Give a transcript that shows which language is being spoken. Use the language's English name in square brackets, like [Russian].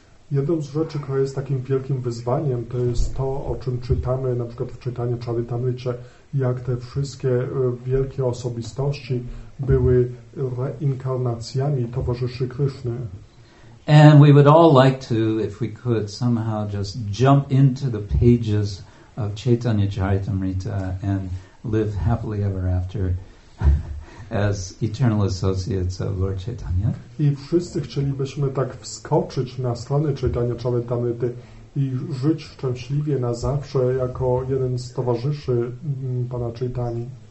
[Polish] Jedną z rzeczy, która jest takim wielkim wyzwaniem, to jest to, o czym czytamy na przykład w czytaniu Charitamrity, jak te wszystkie wielkie osobistości były reinkarnacjami towarzyszy Krishny. [English] And we would all like to, if we could, somehow just jump into the pages of Chaitanya Charitamrita and live happily ever after as eternal associates of Lord Chaitanya. [Polish] I wszyscy chcielibyśmy tak wskoczyć na stronę Chaitanya Charitamrity i żyć szczęśliwie na zawsze jako jeden z towarzyszy pana Chaitany.